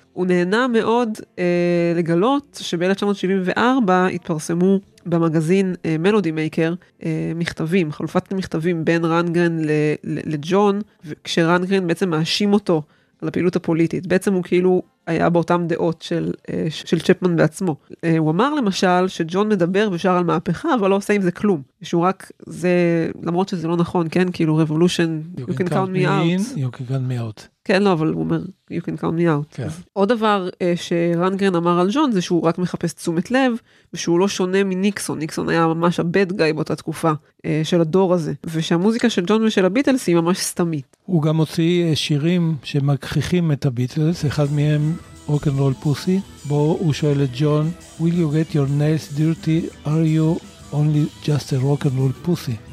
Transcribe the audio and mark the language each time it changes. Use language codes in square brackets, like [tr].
[he] הוא נהנה מאוד לגלות שב-1974 התפרסמו במגזין מלודי מייקר מכתבים, חלופת מכתבים בין רנגרן לג'ון, כשרנגרן בעצם מאשים אותו על הפעילות הפוליטית. בעצם הוא כאילו היה באותם דעות של צ'פמן בעצמו. הוא אמר למשל שג'ון מדבר ושר על מהפכה, אבל לא עושה עם זה כלום. שהוא רק, זה, למרות שזה לא נכון, כן? [en] כאילו, revolution, you can count me out. You can count me out. [he] כן, לא, אבל הוא אומר, [en] you can count me out. [he] כן. עוד דבר שרנגרן אמר על ג'ון, זה שהוא רק מחפש תשומת לב, ושהוא לא שונה מניקסון. ניקסון היה ממש הבד גאי באותה תקופה של הדור הזה. ושהמוזיקה של ג'ון ושל הביטלס היא ממש סתמית. הוא גם הוציא שירים שמכחיכים את הביטלס, אחד מהם Rock and Roll Pussy, בו הוא שואל את ג'ון, [en] will you get your nails dirty? Are you only just a rock and roll pussy?